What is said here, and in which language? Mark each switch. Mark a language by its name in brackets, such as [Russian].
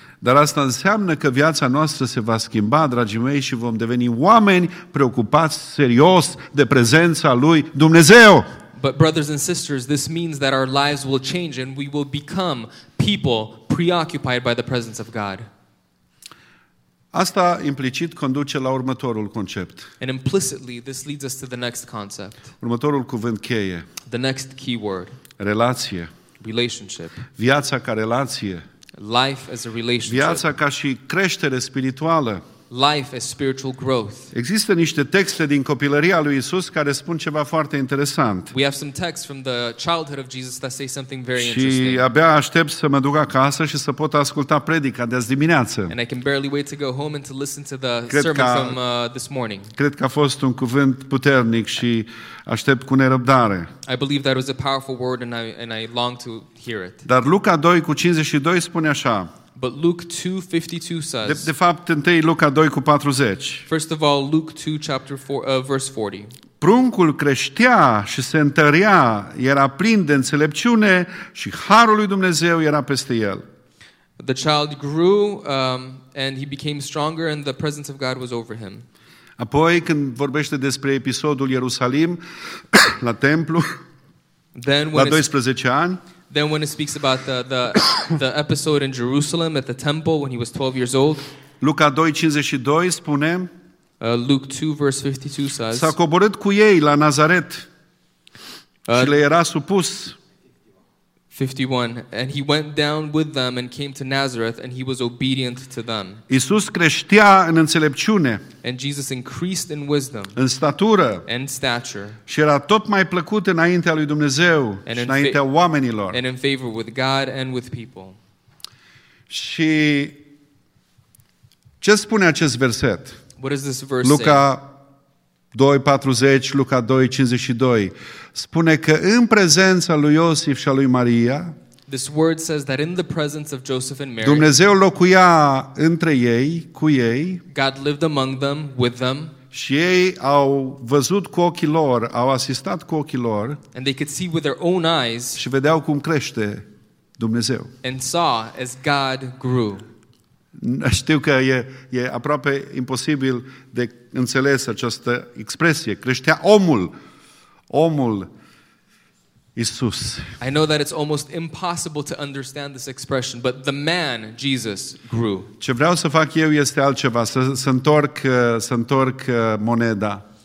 [Romanian] Dar asta înseamnă că viața noastră se va schimba, dragii mei, și vom deveni oameni preocupați serios de prezența lui Dumnezeu. [English] But brothers and sisters, this means that our lives will change and we will become people preoccupied by the presence of God. [Romanian] Asta implicit conduce la următorul concept. [English] And implicitly, this leads us to the next concept. [Romanian] Următorul cuvânt cheie. [English] The next key word. [Romanian] Relație. [English] Relationship. [Romanian] Viața ca relație. [English] Life as a relationship. [Romanian] Viața ca și creștere spirituală. [English] Life as spiritual growth. [Romanian] Există niște texte din copilăria lui Iisus care spun ceva foarte interesant. [English] We have some texts from the childhood of Jesus that say something very [Romanian] și [English] interesting. [Romanian] Și abia aștept să mă duc acasă și să pot asculta predica de azi dimineață. [English] And I can barely wait to go home and to listen to the sermon from this morning. [Romanian] Cred că a fost un cuvânt puternic și aștept cu nerăbdare. [English] I believe that it was a powerful word and I long to hear it. [Romanian] Dar Luca 2:52 spune așa. [English] But Luke 2:52 says. [Romanian] De fapt, întâi Luca 2:40. [English] First of all, Luke 2:40. [Romanian] Pruncul creștea și se întărea, era plin de înțelepciune și harul lui Dumnezeu era peste el. [English] The child grew and he became stronger and the presence of God was over him. [Romanian] Apoi când vorbește despre episodul Ierusalim la templu, la 12 ani. [English] Then when it speaks about the episode in Jerusalem at the temple when he was 12 years old. [Romanian] Luca 2:52 spune. [English] Luke 2:52 says. [Romanian] S-a coborât cu ei la Nazaret. Și le era supus. 51. [English] And he went down with them and came to Nazareth and he was obedient to them. [Romanian] Iisus creștea în înțelepciune. [English] And Jesus increased in wisdom. [Romanian] În statură. [English] And stature. [Romanian] Și era tot mai plăcut înaintea lui Dumnezeu și înaintea oamenilor. [English] And in favor with God and with people. [Romanian] Și ce spune acest verset? [English] What does this verse [Romanian] Luca 2:40, Luca 2:52. Spune că în prezența lui Iosif și a lui Maria, [English] this word says that in the presence of Joseph and Mary, [Romanian] Dumnezeu locuia între ei, cu ei, [English] God lived among them, with them, [Romanian] și ei au văzut cu ochii lor, au asistat cu ochii lor, [English] and they could see with their own eyes, [Romanian] și vedeau cum crește Dumnezeu. [English] And saw as God grew. [Romanian] Știu că e aproape imposibil de înțeles această expresie. Creștea omul. Omul Isus. [English] I know that it's almost impossible to understand this expression, but the man Jesus grew. [Romanian] Ce vreau să fac eu este altceva, să întorc moneda.